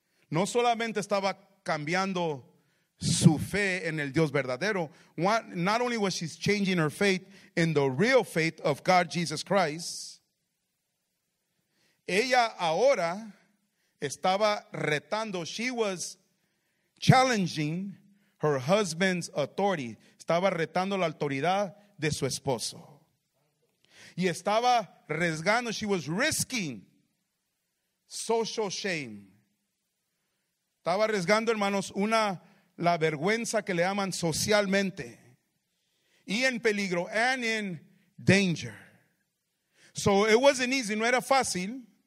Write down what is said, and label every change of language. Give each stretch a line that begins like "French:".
Spanish: No solamente estaba cambiando su fe en el Dios verdadero,
English: not only was she changing her faith in the real faith of God Jesus Christ,
Spanish: ella ahora estaba retando,
English: she was challenging her husband's authority,
Spanish: estaba retando la autoridad de su esposo. Y estaba arriesgando,
English: she was risking social shame.
Spanish: Estaba arriesgando, hermanos, la vergüenza que le llaman socialmente. Y en peligro,
English: and in danger. So it wasn't easy,
Spanish: no era fácil.